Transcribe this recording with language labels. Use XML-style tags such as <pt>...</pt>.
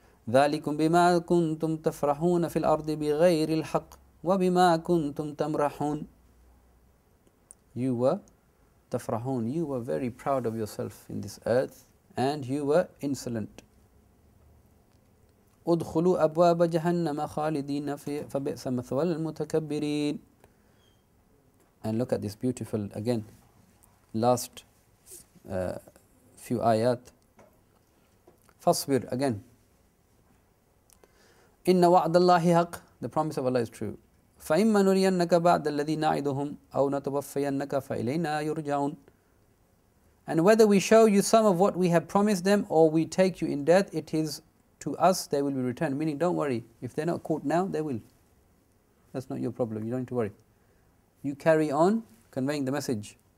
<ar>ذلكم بما كنتم تفرحون في الأرض بغير الحق وبما كنتم تمرحون.</ar> <en>You were tafrahun, you were very proud of yourself in this earth and you were insolent.</en> <ar>ادخلوا أبواب جهنم خالدين فبئس مثوى المتكبرين.</ar> <en>And look at this beautiful again, last few ayat. فاصبر again.</en> <ar>إن وعد الله حق.</ar> <en>The promise of Allah is true.</en> <ar>فإما نرينك بعض الذي نعدهم أو نتوفينك فإلينا يرجعون.</ar> <en>And whether we show you some of what we have promised them or we take you in death, it is to us they will be returned. Meaning, don't worry. If they're not caught now, they will. That's not your problem. You don't need to worry. You carry on conveying the message.</en>